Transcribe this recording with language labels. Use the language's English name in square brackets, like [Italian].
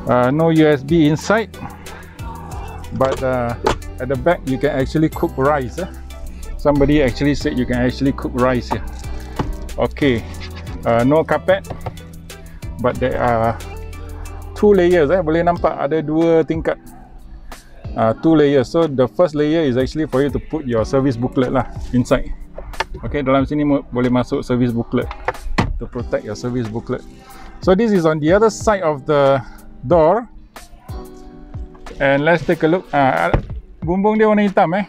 [English] No USB inside, but at the back you can actually cook rice. Somebody actually said you can actually cook rice here. Okay, no carpet, but there are two layers. [Malay] Boleh nampak ada dua tingkat, [English] two layers. So the first layer is actually for you to put your service booklet lah inside. [Malay] Okay, dalam sini boleh masuk service booklet, [English] to protect your service booklet. So this is on the other side of the door, and let's take a look. [Malay] Bumbung dia warna hitam.